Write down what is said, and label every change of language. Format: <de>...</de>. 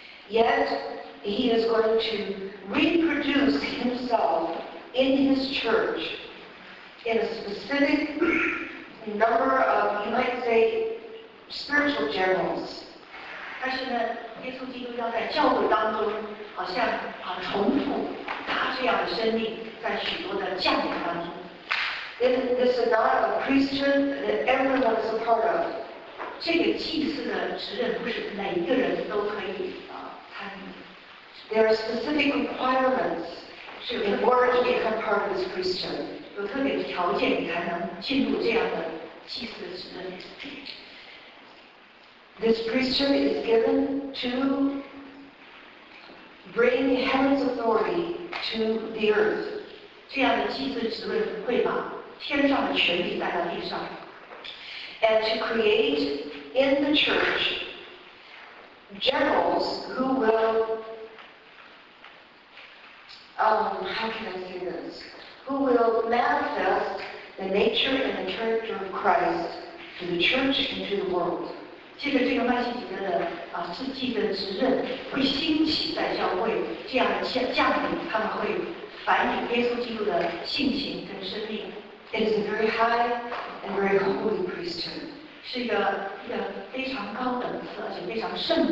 <en>Yet he is going to reproduce himself in his church in a specific number of, you might say, spiritual generals.</en> <zh>但是呢，耶稣基督要在教会当中，好像重复他这样的生命在许多的将领当中。</zh> <en>This is not a priesthood that everyone is a part of.</en> <zh>这个祭司的职任不是每一个人都可以参与。</zh> <en>There are specific requirements in order to become part of this priesthood.</en> <zh>有特别的条件你才能进入这样的祭司的职任。</zh> <en>This priesthood is given to bring heaven's authority to the earth.</en> <zh>这样的祭司职任会把天上的权柄带到地上。</zh> <en>And to create in the church generals who will, how can I say this? Who will manifest the nature and the character of Christ to the church and to the world.</en> <zh>借着这个麦基洗德的祭司的职任会兴起在教会，这样的将领他们会反映耶稣基督的性情跟生命。</zh> <en>It is a very high and very holy priesthood.</en>